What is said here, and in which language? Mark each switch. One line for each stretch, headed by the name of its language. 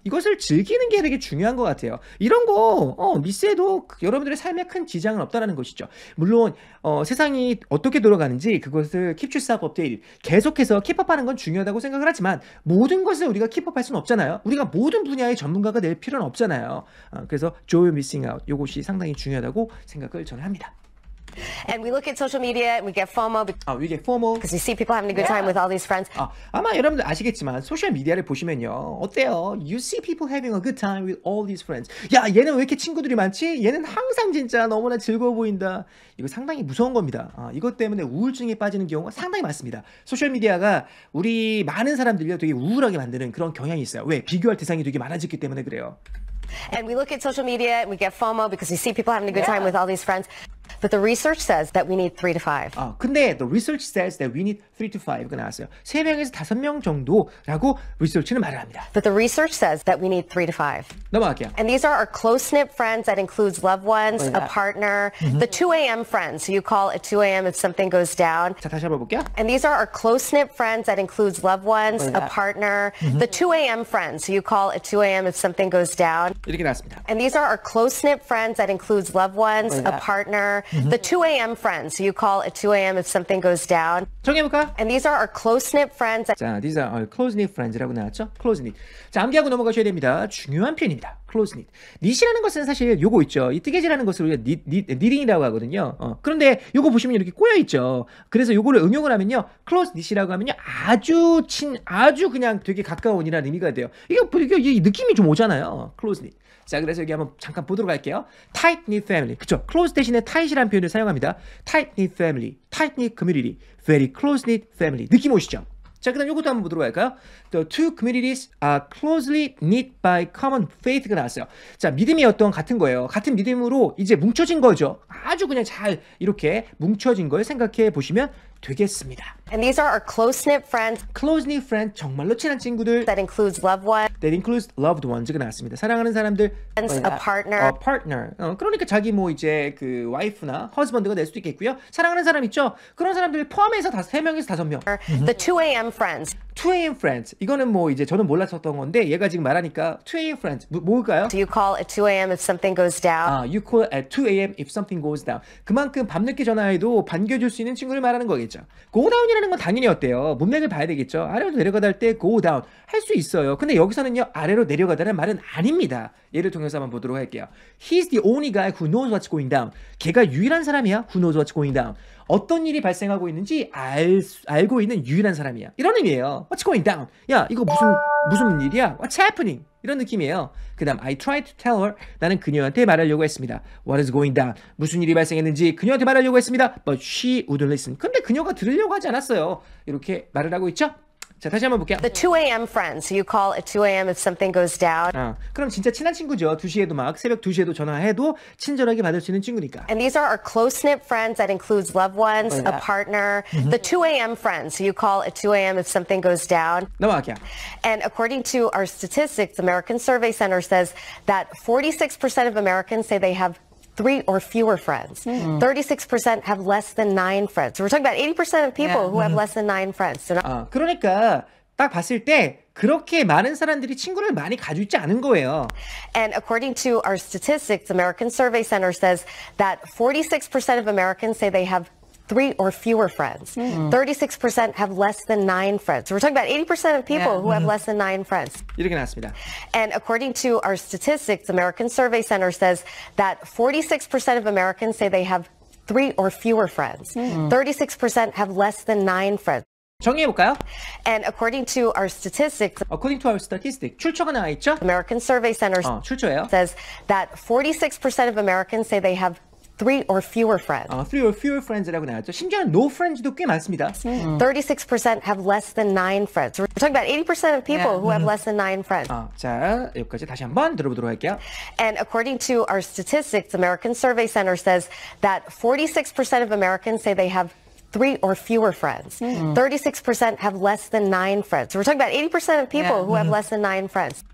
Korean: 이것을 즐기는 게 되게 중요한 것 같아요. 이런 거 미스해도 여러분들의 삶에 큰 지장은 없다는 것이죠. 물론 세상이 어떻게 돌아가는지 그것을
English: Keep Yourself Updated
Korean: 계속해서 킵업하는 건 중요하다고 생각을 하지만 모든 것을 우리가 킵업할 수는 없잖아요. 우리가 모든 분야의 전문가가 될 필요는 없잖아요. 그래서 joy missing out 이것이 상당히 중요하다고 생각을 저는 합니다.
English: And we look at social media and we get FOMO. We get FOMO. Because we see people having a good time with all these friends.
Korean: 아마 여러분들 아시겠지만 소셜 미디어를 보시면요. 어때요?
English: You see people having a good time with all these friends.
Korean: 야, 얘는 왜 이렇게 친구들이 많지? 얘는 항상 진짜 너무나 즐거워 보인다. 이거 상당히 무서운 겁니다. 이것 때문에 우울증에 빠지는 경우가 상당히 많습니다. 소셜 미디어가 우리 많은 사람들을 되게 우울하게 만드는 그런 경향이 있어요. 왜? 비교할 대상이 되게 많아졌기 때문에 그래요.
English: And we look at social media and we get FOMO because we see people having a good time with all these friends. But the research says that we need 3 to 5. 근데 the research says that we need 3 to 5가 나왔어요.
Korean: 3명에서 5명 정도라고 리서치는 말을 합니다.
English: But the research says that we need 3 to 5.
Korean: 넘어갈게요.
English: And these are our close-knit friends that includes loved ones, a partner, the 2 a.m. friends. So you call at 2 a.m. if something goes down.
Korean: 자, 다시 한번 볼게요.
English: And these are our close-knit friends that includes loved ones, a partner, the 2 a.m. friends. So you call at 2 a.m. if something goes down.
Korean: 이렇게 나왔습니다.
English: And these are our close-knit friends that includes loved ones, a partner, the 2 a.m. friends. So you call at 2 a.m. if something goes down.
Korean: 정해볼까?
English: And these are our close-knit friends. 자, these are our close-knit friends라고 나왔죠? close-knit.
Korean: 자, 암기하고 넘어가셔야 됩니다. 중요한 표현입니다. close-knit. knit이라는 것은 사실 요거 있죠. 이 뜨개질하는 것을 우리가 knitting이라고 하거든요. 그런데 요거 보시면 이렇게 꼬여있죠. 그래서 요거를 응용을 하면요. close-knit이라고 하면요. 아주 친, 아주 그냥 되게 가까운이라는 의미가 돼요. 이거 느낌이 좀 오잖아요. close-knit. 자, 그래서 여기 한번 잠깐 보도록 할게요.
English: tight-knit family. 그쵸?
Korean: close 대신에 tight이라는 표현을 사용합니다.
English: tight-knit family. tight-knit community. very close-knit family.
Korean: 느낌 오시죠? 자, 그다음 이것도 한번 보도록 할까요?
English: The two communities are closely knit by common faith가 나왔어요.
Korean: 자, 믿음이 어떤 같은 거예요. 같은 믿음으로 이제 뭉쳐진 거죠. 아주 그냥 잘 이렇게 뭉쳐진 걸 생각해 보시면 되겠습니다.
English: And these are our close-knit friends. Close-knit friends,
Korean: 정말로 친한 친구들.
English: That includes loved ones. That includes loved ones가 나왔습니다.
Korean: 사랑하는 사람들.
English: Friends, a partner.
Korean: A partner. 그러니까 자기 뭐 이제 그 와이프나 husband가 될 수도 있겠고요. 사랑하는 사람 있죠? 그런 사람들 포함해서 3명에서 5명.
English: The 2 AM friends.
Korean: 2 AM friends. 이거는 뭐 이제 저는 몰랐었던 건데 얘가 지금 말하니까 2 AM friends. 뭘까요?
English: Do you call at 2 AM if something goes down? You call at 2 AM if something goes down.
Korean: 그만큼 밤늦게 전화해도 반겨줄 수 있는 친구를 말하는 거겠죠. Go down 이라는 건 당연히 어때요? 문맥을 봐야 되겠죠. 아래로 내려가다 할 때 go down 할 수 있어요. 근데 여기서는요 아래로 내려가다는 말은 아닙니다. 예를 통해서 한번 보도록 할게요.
English: He's the only guy who knows what's going down.
Korean: 걔가 유일한 사람이야.
English: Who knows what's going down.
Korean: 어떤 일이 발생하고 있는지 알고 있는 유일한 사람이야. 이런 의미예요.
English: What's going down?
Korean: 야, 이거 무슨 일이야?
English: What's happening?
Korean: 이런 느낌이에요. 그 다음,
English: I tried to tell her.
Korean: 나는 그녀한테 말하려고 했습니다.
English: What is going down?
Korean: 무슨 일이 발생했는지 그녀한테 말하려고 했습니다.
English: But she wouldn't listen.
Korean: 근데 그녀가 들으려고 하지 않았어요. 이렇게 말을 하고 있죠? 자, 다시 한번 볼게요.
English: The 2 AM friends. You call at 2 AM if something goes down.
Korean: 그럼 진짜 친한 친구죠. 2시에도 막 새벽 2시에도 전화해도 친절하게 받을 수 있는 친구니까.
English: And these are our close-knit friends that includes loved ones, a partner. The 2 AM friends. You call at 2 AM if something goes down.
Korean: 넘어갈게요.
English: And according to our statistics, American Survey Center says that 46% of Americans say they have 3 or fewer friends. 36% have less than 9 friends. So we're talking about 80% of people who have less than 9 friends. So
Korean: 그러니까 딱 봤을 때 그렇게 많은 사람들이 친구를 많이 가지고 있지 않은 거예요.
English: And according to our statistics, American Survey Center says that 46% of Americans say they have 3 or fewer friends. 36% have less than 9 friends. So we're talking about 80% of people who have less than 9 friends.
Korean: 이렇게 나왔습니다.
English: And according to our statistics, American Survey Center says that 46% of Americans say they have 3 or fewer friends. 36% have less than 9 friends.
Korean: 정리해 볼까요?
English: And according to our statistics, according to our statistics,
Korean: 출처가 나와 있죠?
English: American Survey Center
Korean: 출처예요.
English: says that 46% of Americans say they have 3 or fewer friends. Three or fewer friends
Korean: 라고 나왔죠. 심지어는 no friends도 꽤 많습니다.
English: 36% have less than 9 friends. We're talking about 80% of people who have less than 9 friends.
Korean: 자, 여기까지 다시 한번 들어보도록 할게요.
English: And according to our statistics, American Survey Center says that 46% of Americans say they have 3 or fewer friends. 36% have less than 9 friends. So we're talking about 80% of people who have less than 9 friends.